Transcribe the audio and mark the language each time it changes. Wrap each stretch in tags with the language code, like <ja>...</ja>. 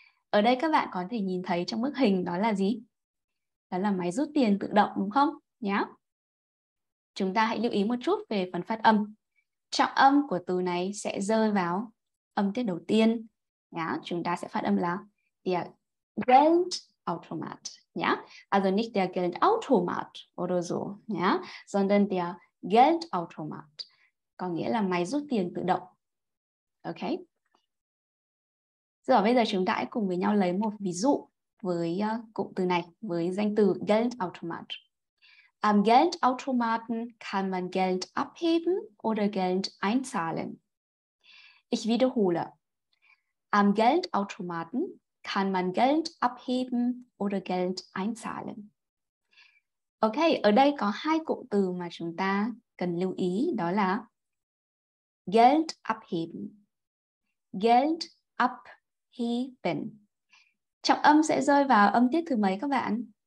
<vi>Ở đây các bạn có thể nhìn thấy trong bức hình đó là gì? Đó là máy rút tiền tự động đúng không? Nhá. Chúng ta hãy lưu ý một chút về phần phát âm. Trọng âm của từ này sẽ rơi vào âm tiết đầu tiên. Nhá. Chúng ta sẽ phát âm là der Geldautomat. Nhá.</vi> <de>Also nicht der Geldautomat oder so.</de> <vi>Nhá.</vi> <de>Sondern der Geldautomat.</de> <vi>Có nghĩa là máy rút tiền tự động. Ok. Rồi bây giờ chúng ta hãy cùng với nhau lấy một ví dụ với cụm từ này, với danh từ Geldautomat.</vi> <de>Am Geldautomaten kann man Geld abheben oder Geld einzahlen. Ich wiederhole. Am Geldautomaten kann man Geld abheben oder Geld einzahlen.</de> <vi>Ok, ở đây có hai cụm từ mà chúng ta cần lưu ý đó là Geld abheben. Geld abheben. Trọng âm sẽ rơi vào âm tiết thứ mấy các bạn?</vi>